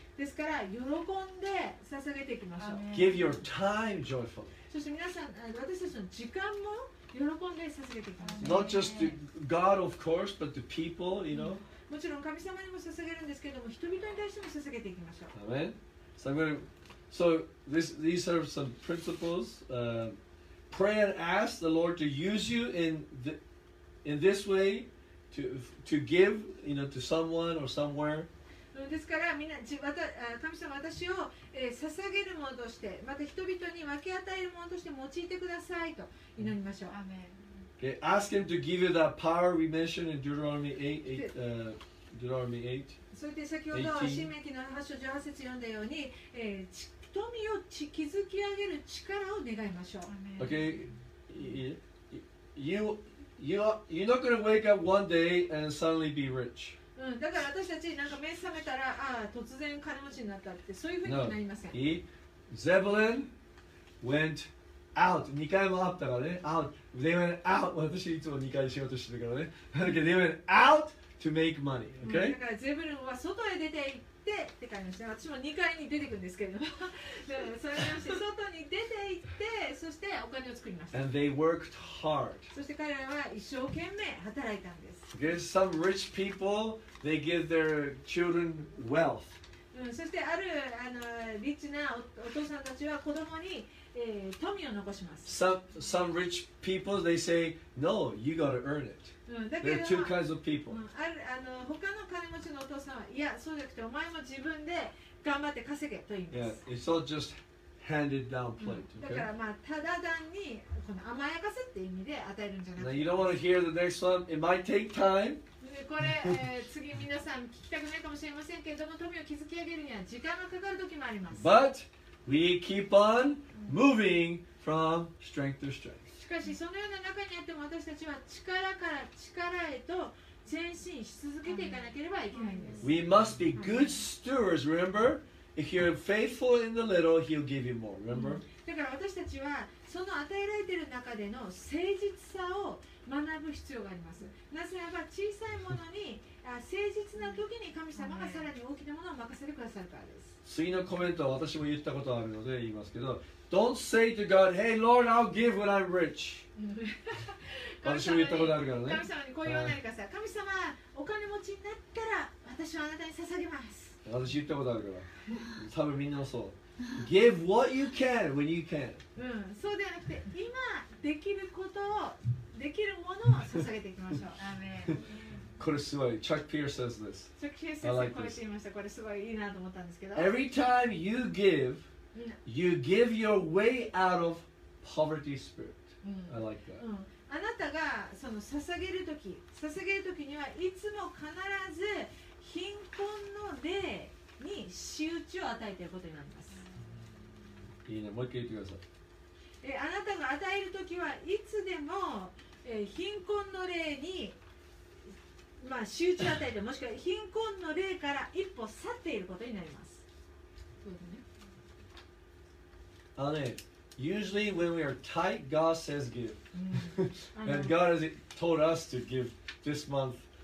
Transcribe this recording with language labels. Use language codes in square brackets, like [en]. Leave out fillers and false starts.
[ja] ですから喜んで捧げていきましょう。 [en] Give your time joyfully. [ja] そして皆さん、私たちの時間も喜んで捧げていきましょう。 [en] Not just to God, of course, but to people, you know. [ja] もちろん神様にも捧げるんですけども、人々に対しても捧げていきましょう。 [en] Amen. So I'm going to, so this, these are some principles. Pray and ask the Lord to use you in this way to give, you know, to someone or somewhere. [ja] ですからみんな神様私を、捧げるものとしてまた人々に分け与えるものとして用いてくださいと祈りましょう。アーメン。 [en] Okay, ask him to give you that power we mentioned in Deuteronomy 8. [ja] そして先ほど申命記の8章18節読んだように、富を築き上げる力を願いましょう。アーメン。 [en] Okay, you're not going to wake up one day and suddenly be rich. [ja] だから私たちなんか目覚めたら、ああ突然金持ちになったってそういうふうになりません。 [en] No. Zebulun went out. [ja] 2回もあったからね。 [en] Out. They went out. [ja] 私いつも2回仕事してるからね。 [en] Okay. They went out to make money. Okay.、 [ja] だからゼブルンは外へ出て行ってって感じですね。私も2回に出てくるんですけど。だからそれに外に出て行ってそしてお金を作りました。 [en] And they worked hard. [ja] そして彼らは一生懸命働いたんです。 [en] There's some rich people, they give their children wealth. [ja] そしてあるリッチなお父さんたちは子供に富を残します。 [en] Some rich people, they say, no, you gotta earn it. There are two kinds of people. [ja] ある他の金持ちのお父さんは、いや、そうじゃなくて、お前も自分で頑張って稼げと言います。 [en] Yeah, it's all just handed down plate. [ja] だからまあ、ただ単に、この甘やかすって意味で与えるんじゃなくて。 [en] Now, you don't want to hear the next one. It might take time. [ja] これ、次皆さん聞きたくないかもしれませんけれども、富を築き上げるには時間がかかる時もあります。 [en] But we keep on moving from strength to strength. [ja] しかし、そのような中にあっても私たちは力から力へと前進し続けていかなければいけないんです。 [en] We must be good stewards, remember? If you're faithful in the little, he'll give you more, remember? [ja] だから私たちは、その与えられている中での誠実さを学ぶ必要があります。なぜならば小さいものに誠実な時に神様がさらに大きなものを任せてくださるからです。次のコメントは私も言ったことあるので言いますけど、 [en] Don't say to God, Hey Lord, I'll give when I'm rich. [ja] 私も言ったことあるからね。神様にこう言わないでください。神様、お金持ちになったら私はあなたに捧げます。私言ったことあるから。多分みんなそう。 [en] Give what you can when you can. [ja] そうではなくて今できることをできるものを捧げていきましょう。アーメン。これすごい。 [en] Chuck Pierce says this. [ja] チャック・ピース先生これ言いました。これすごいいいなと思ったんですけど。 [en] Every time you give, you give your way out of poverty spirit. I like that. [ja] あなたがその捧げるときにはいつも必ず貧困の霊に仕打ちを与えていることになります。いいね、もう一回言ってください。あなたが与えるときはいつでも、貧困の霊に、まあ、仕打ちを与えて、もしくは貧困の霊から一歩去っていることになります。そうだね。 [en] Usually when we are tight, God says give. And God has told us to give this month.